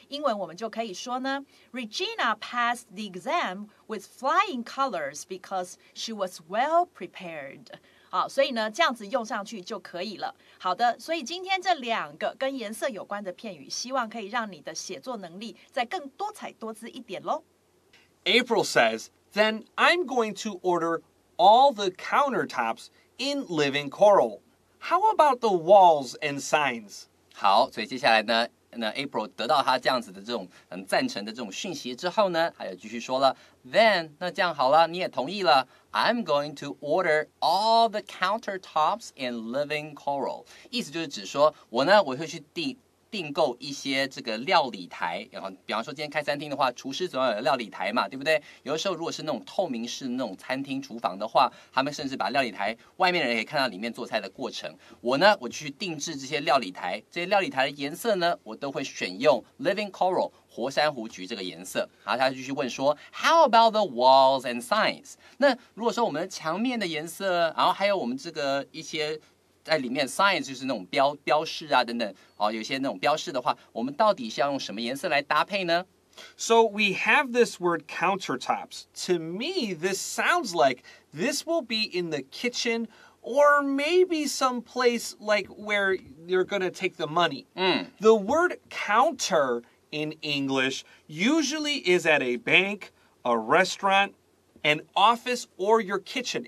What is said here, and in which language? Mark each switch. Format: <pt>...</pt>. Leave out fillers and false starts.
<zh>英文我们就可以说呢，</zh> <en>Regina passed the exam with flying colors because she was well prepared。</en> <zh>好，所以呢，这样子用上去就可以了。好的，所以今天这两个跟颜色有关的片语，希望可以让你的写作能力再更多彩多姿一点咯。</zh> <en>April says, then I'm going to order all the countertops in living coral. How about the walls and signs?</en> <zh>好，所以接下来呢，那 April 得到他这样子的这种赞成的这种讯息之后呢，他又继续说了 ，Then 那这样好了，你也同意了 ，</zh> <en>I'm going to order all the countertops in living coral，</en> <zh>意思就是指说我呢，我会去订购一些这个料理台，然后比方说今天开餐厅的话，厨师总要有料理台嘛，对不对？有的时候如果是那种透明式那种餐厅厨房的话，他们甚至把料理台外面的人可以看到里面做菜的过程。我呢，我去定制这些料理台，这些料理台的颜色呢，我都会选用 living coral 活珊瑚橘这个颜色。然后他继续问说 ，</zh> <en>How about the walls and signs？</en> <zh>那如果说我们墙面的颜色，然后还有我们这个一些。在里面 ，signs 就是那种标示啊等等，有些那种标示的话，我们到底是要用什么颜色来搭配呢</zh> <en>？So we have this word countertops. To me, this sounds like this will be in the kitchen or maybe some place like where you're going to take the money.、The word counter in English usually is at a bank, a restaurant, an office, or your kitchen.</en>